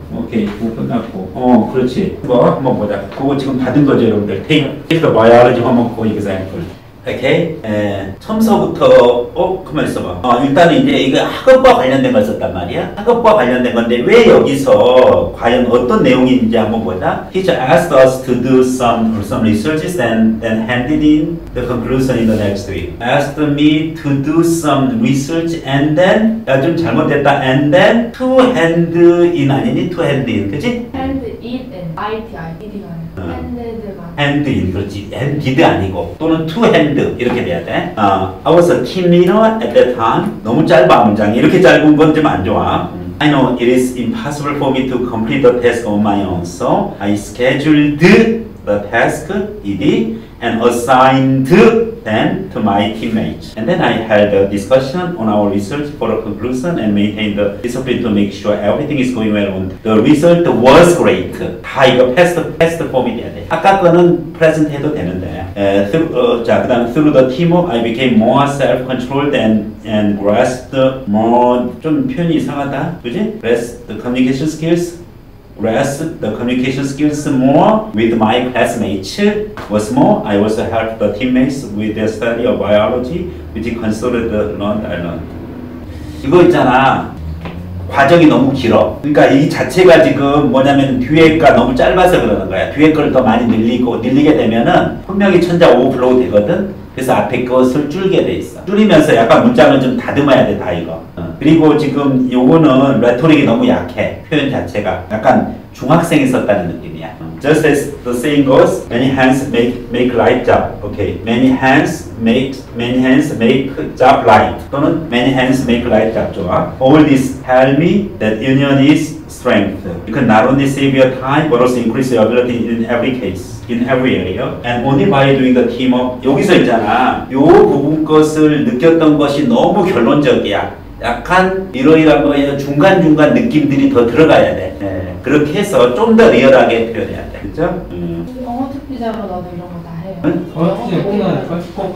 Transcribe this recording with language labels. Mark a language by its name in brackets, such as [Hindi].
[Korean] 끝났고 그렇지. 뭐 한번 보자. 그거 지금 받은 거죠 여러분들. [English] Take the biology homework example. [Korean] 오케이. 처음서부터 그만 있어봐. 일단 이제 이거 학업과 관련된 걸 썼단 말이야. 학업과 관련된 건데 왜 여기서 과연 어떤 내용인지 한번 보자. [English] He asked us to do some researches and then handed in the conclusion in the next week. Asked me to do some research and then [Korean] 야 좀 잘못됐다. [English] And then to hand in [Korean] 아니니 [English] to hand in [Korean] 그치? [English] Hand in, [Korean] 그렇지. [English] And did [Korean] 아니고 또는 [English] to hand [Korean] 이렇게 돼야 돼. [English] I was a team leader at that time. [Korean] 너무 짧아 문장이. 이렇게 짧은 건 좀 안 좋아. [English] I know it is impossible for me to complete the task on my own. So I scheduled the task, did, and assigned them to my teammates. And then I held a discussion on our research for a conclusion and maintained the discipline to make sure everything is going well. The result was great. [Korean] 다 이거 패스트 폼이 돼야 돼. 아까 거는 present 해도 되는데. 그 다음 [English] through the teamwork, I became more self-controlled and grasped more, [Korean] 좀 표현이 이상하다. 그지? [English] Grasped the communication skills. Grasped the communication skills more with my classmates. What's more, I also helped the teammates with their study of biology, which considered the learned I learned. [Korean] 이거 있잖아. 과정이 너무 길어. 그러니까 이 자체가 지금 뭐냐면 듀엣과 너무 짧아서 그러는 거야. 듀엣 걸 더 많이 늘리게 되면은 분명히 천자 오버플로우 되거든. 그래서 앞에 것을 줄게 돼 있어. 줄이면서 약간 문장을 좀 다듬어야 돼, 다 이거. 그리고 지금 요거는 레토릭이 너무 약해. 표현 자체가 약간 중학생이 썼다는 느낌이야. [English] Just as the saying goes, many hands make light job. Okay. Many hands make job light. [Korean] 또는 [English] many hands make light job. [Korean] 좋아. [English] All this tell me that union is strength. You can not only save your time, but also increase your ability in every case, in every area. And only by doing the teamwork. [Korean] 여기서 있잖아. 요 부분 것을 느꼈던 것이 너무 결론적이야. 약간 이러이러한 거에 중간중간 느낌들이 더 들어가야 돼. 네. 그렇게 해서 좀 더 리얼하게 표현해야 돼. 그쵸? 영어 특기자로 나도 이런 거 다 해요. 응? 영특기는?